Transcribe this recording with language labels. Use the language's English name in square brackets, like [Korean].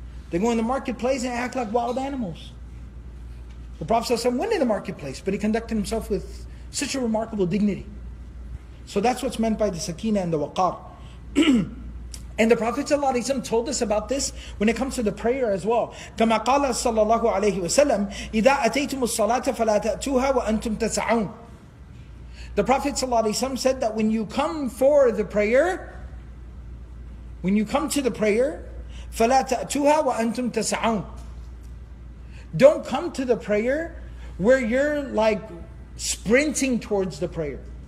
[English] They go in the marketplace and act like wild animals. The Prophet ﷺ went in the marketplace, but he conducted himself with such a remarkable dignity. So that's what's meant by the sakina and the waqar. And the Prophet ﷺ told us about this when it comes to the prayer as well. [Arabic] كما قال صلى الله عليه وسلم إذا أتيتم الصلاة فلا تأتوها وأنتم تسعون. [English] The Prophet ﷺ said that when you come for the prayer, when you come to the prayer, [Arabic] فَلَا تَأْتُوهَا وَأَنْتُمْ تَسْعَوْنَ. [English] Don't come to the prayer where you're like sprinting towards the prayer.